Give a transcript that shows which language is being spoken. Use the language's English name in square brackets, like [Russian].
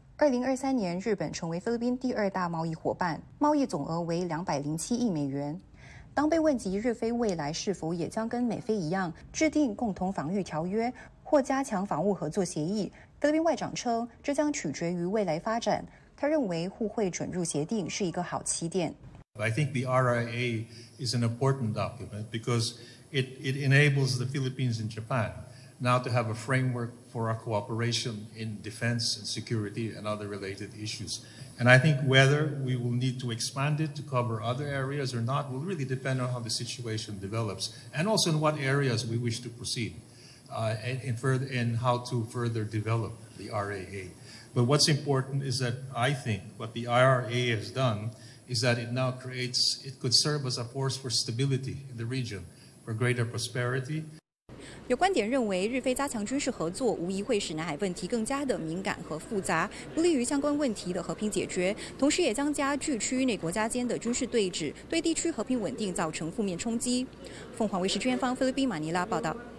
[Chinese] 2023年，日本成为菲律宾第二大贸易伙伴，贸易总额为207亿美元。当被问及日菲未来是否也将跟美菲一样制定共同防御条约或加强防务合作协议，菲律宾外长称这将取决于未来发展。他认为互惠准入协定是一个好起点。 [English] I think the RIA is an important document because it enables the Philippines and Japan now to have a framework for our cooperation in defense and security and other related issues. And I think whether we will need to expand it to cover other areas or not will really depend on how the situation develops and also in what areas we wish to proceed and how to further develop the RIA. But what's important is that I think what the IRA has done is that it now creates, it could serve as a force for stability in the region, for greater prosperity. [Chinese] 有观点认为，日菲加强军事合作无疑会使南海问题更加的敏感和复杂，不利于相关问题的和平解决，同时也将加剧区域内国家间的军事对峙，对地区和平稳定造成负面冲击。凤凰卫视专访菲律宾马尼拉报道。